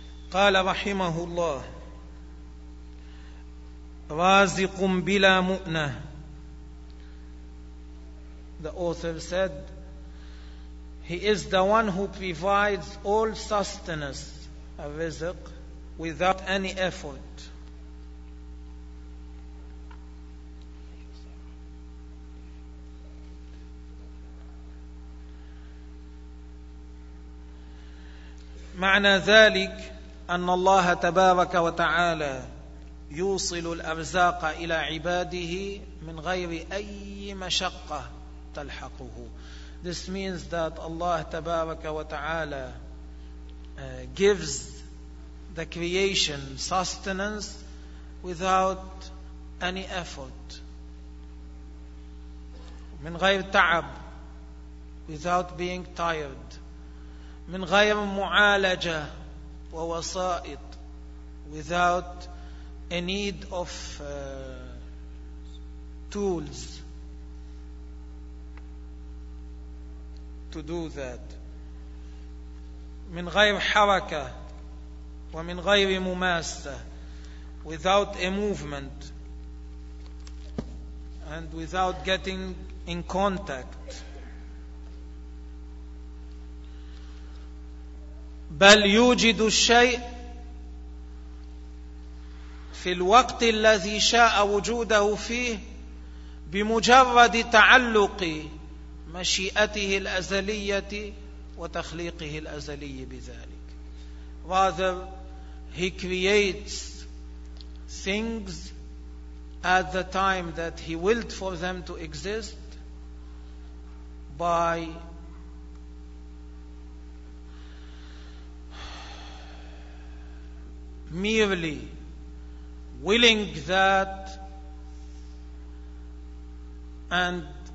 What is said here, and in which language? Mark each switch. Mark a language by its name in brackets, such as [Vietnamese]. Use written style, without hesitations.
[Arabic] قال رحمه الله رازق بلا مؤنة. [English] The author said, He is the one who provides all sustenance, a rizq, without any effort. [Arabic] معنى ذلك أن الله تبارك وتعالى يوصل الأرزاق إلى عباده من غير أي مشقة تلحقه. [English] This means that Allah [Arabic] تبارك وتعالى [English] gives the creation sustenance without any effort. [Arabic] من غير تعب, [English] without being tired. [Arabic] من غير معالجة ووسائط, [English] without a need of tools to do that. [Arabic] من غير حركة ومن غير مماسة, [English] without a movement and without getting in contact. [Arabic] بل يوجد الشيء في الوقت الذي شاء وجوده فيه بمجرد تعلق مشيئته الأزلية وتخليقه الأزلي بذلك. [English] Rather, He creates things at the time that He willed for them to exist by merely willing that and